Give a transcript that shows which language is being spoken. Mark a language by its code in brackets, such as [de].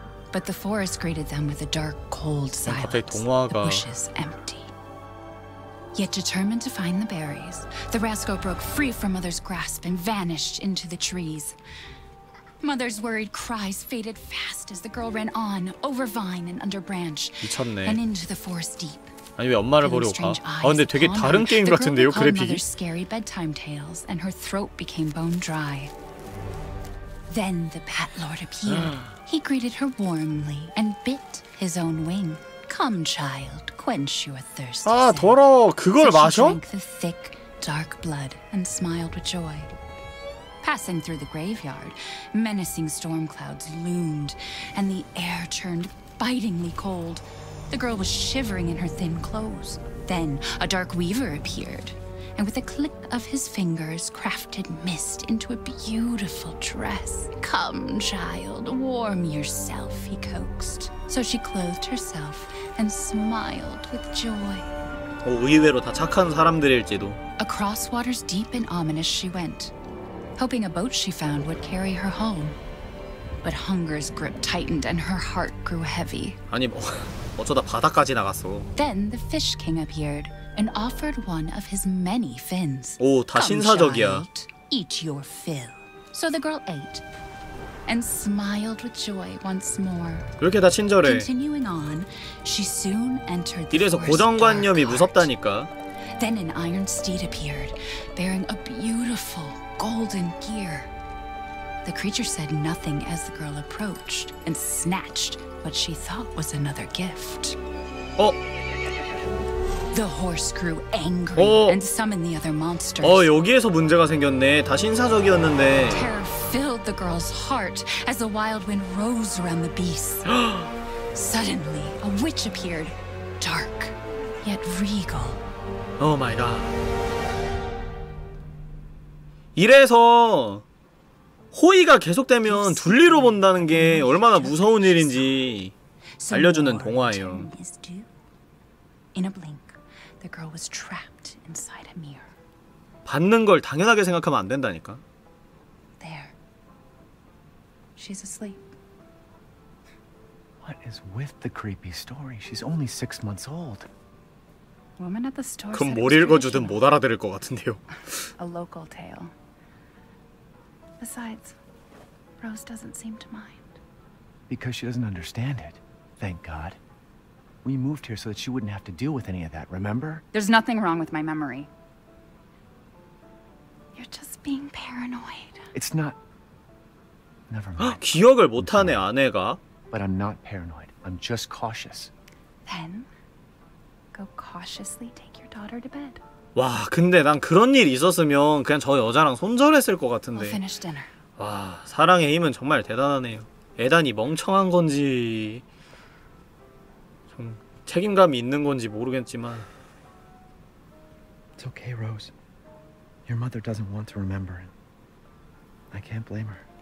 [en] But the forest greeted them with a dark, cold silence. The bushes empty. Yet determined to find the berries, the Rasko broke free from Mother's grasp and vanished into the trees. Mother's worried cries faded fast as the girl ran on over vine and under branch and into the forest deep. [ko] 아니 왜 엄마를 보려고 가? 아 근데 되게 다른 게임 같은데요 그래픽이? [en] Mother's scary bedtime tales and her throat became bone dry. Then the Bat Lord appeared. He greeted her warmly and bit his own wing. Come, child, quench your thirst. [ko] 아, 더러워. 그걸 마셔? [en] She drank the thick, dark blood and smiled with joy. Passing through the graveyard, menacing storm clouds loomed, and the air turned bitingly cold. The girl was shivering in her thin clothes. Then a dark weaver appeared, and with a click of his fingers, crafted mist into a beautiful dress. Come, child, warm yourself, he coaxed. So she clothed herself. And smiled with joy. [ko] 오, 의외로 다 착한 사람들일지도. [en] Across waters deep and ominous she went, hoping a boat she found would carry her home. But hunger's grip tightened and her heart grew heavy. [ko] 아니 뭐 어쩌다 바다까지 나갔어. [en] Then the fish king appeared and offered one of his many fins. [ko] 오, 다 신사적이야. [en] Eat your fill. So the girl ate. And smiled with joy once more. [ko] 그렇게 다 친절해. [en] Continuing on, she soon entered the [ko] 이래서 고정관념이 무섭다니까. [en] Then an iron steed appeared, bearing a beautiful golden gear. The creature said nothing as the girl approached and snatched what she thought was another gift. [ko] 어? [en] The horse grew angry and summoned the other monsters. [ko] 어, 여기에서 문제가 생겼네. 다 신사적이었는데. [en] Filled the girl's heart as a wild wind rose around the beast. Suddenly, a witch appeared, dark yet regal. Oh my god. [ko] 이래서 호의가 계속되면 둘리로 본다는 게 얼마나 무서운 일인지 알려주는 동화예요. [en] In a blink, the girl was trapped inside a mirror. [ko] 받는 걸 당연하게 생각하면 안 된다니까. [en] She's asleep. What is with the creepy story? She's only 6 months old. Woman at the store. [ko] 그럼 뭘 읽어주든 못 알아들을 것 같은데요. [en] A local tale. Besides, Rose doesn't seem to mind. Because she doesn't understand it. Thank God. We moved here so that she wouldn't have to deal with any of that. Remember? There's nothing wrong with my memory. You're just being paranoid. It's not. [ko] 기억을 못하네 아내가. [en] But I'm not paranoid. I'm just cautious. Then go cautiously take your daughter to bed. [ko] 와, 근데 난 그런 일 있었으면 그냥 저 여자랑 손절했을 것 같은데. [en] We'll finish dinner. [ko] 와, 사랑의 힘은 정말 대단하네요. 애단이 멍청한 건지 좀 책임감이 있는 건지 모르겠지만. [en] It's okay, Rose. Your mother doesn't want to remember it. I can't blame her.